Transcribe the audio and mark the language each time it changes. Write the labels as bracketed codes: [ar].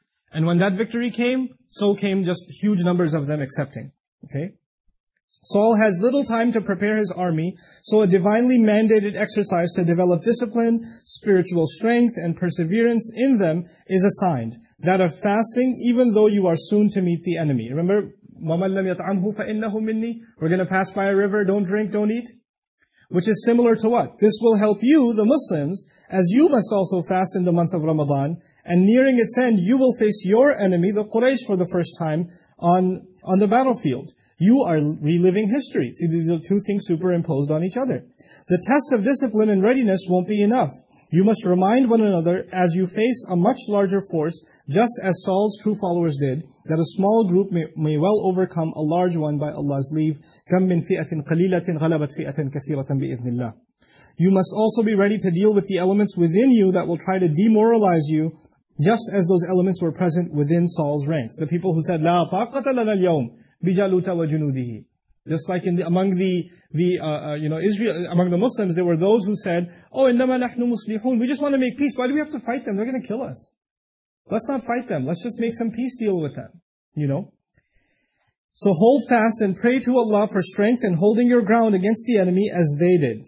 [en] And when that victory came, so came just huge numbers of them accepting. Okay? Saul has little time to prepare his army, so a divinely mandated exercise to develop discipline, spiritual strength, and perseverance in them is assigned. That of fasting, even though you are soon to meet the enemy. Remember, [ar] وَمَنْ لَمْ يَطْعَمْهُ فَإِنَّهُ مِنِّي. [en] We're going to pass by a river, don't drink, don't eat. Which is similar to what? This will help you, the Muslims, as you must also fast in the month of Ramadan, and nearing its end, you will face your enemy, the Quraysh, for the first time on the battlefield. You are reliving history. See, these are two things superimposed on each other. The test of discipline and readiness won't be enough. You must remind one another as you face a much larger force, just as Saul's true followers did, that a small group may well overcome a large one by Allah's leave. [ar] كَمْ مِنْ فِئَةٍ قَلِيلَةٍ غَلَبَتْ فِئَةٍ كَثِيرَةً بِإِذْنِ اللَّهِ. [en] You must also be ready to deal with the elements within you that will try to demoralize you, just as those elements were present within Saul's ranks. The people who said, [ar] لَا طَاقَةَ لَنَا الْيَوْمِ بِجَالُوتَ وَجُنُودِهِ. [en] Just like in the, among Israel, among the Muslims, there were those who said, oh, [ar] إِنَّمَا نَحْنُ مُسْلِحُونَ. [en] We just want to make peace. Why do we have to fight them? They're going to kill us. Let's not fight them. Let's just make some peace deal with them. You know? So hold fast and pray to Allah for strength in holding your ground against the enemy as they did.